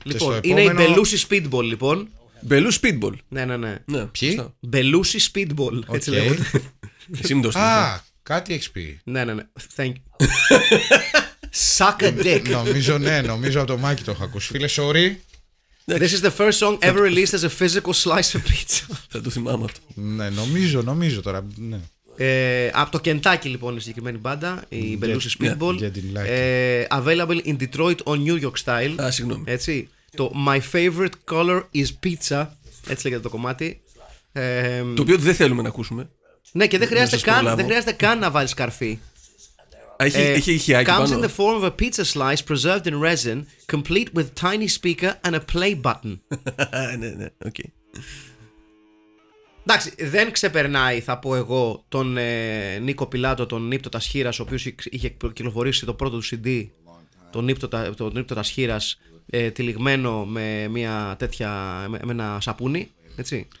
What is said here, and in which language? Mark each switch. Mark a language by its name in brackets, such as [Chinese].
[Greek] Λοιπόν, είναι η Μπελούση Speedball, λοιπόν. Μπελούση Speedball. Ναι. Ποιοι? Μπελούση Speedball. Έτσι λέγονται. Εσύ μου το στείλε. Α, κάτι έχεις πει. Ναι. [English] Thank you. Suck a dick. [Greek] Νομίζω από το Μάκη το έχω ακούσει. Φίλε, sorry. [English] This is the first song ever released as a physical slice of pizza. [Greek] Θα το θυμάμαι αυτό. Ναι, νομίζω τώρα. Από το Kentucky, λοιπόν, η συγκεκριμένη μπάντα, η Μπελούση Speedball. [English] Available in Detroit on New York style. [Greek] Α, συγγνώμη. Έτσι. Το My favorite color is pizza. Έτσι λέγεται το κομμάτι. Το οποίο δεν θέλουμε να ακούσουμε. Ναι, και δεν χρειάζεται καν να βάλεις καρφί. Έχει ηχιάκι πάνω. [English] Comes in the form of a pizza slice preserved in resin, complete with tiny speaker and a play button. [Greek] Ναι, okay. Εντάξει, δεν ξεπερνάει, θα πω εγώ, τον Νίκο Πιλάτο, τον Νύπτο Τασχύρας, ο οποίος είχε κυκλοφορήσει το πρώτο του CD, τον Νύπτο Τασχύρας, τυλιγμένο με μια τέτοια, με ένα σαπούνι, έτσι.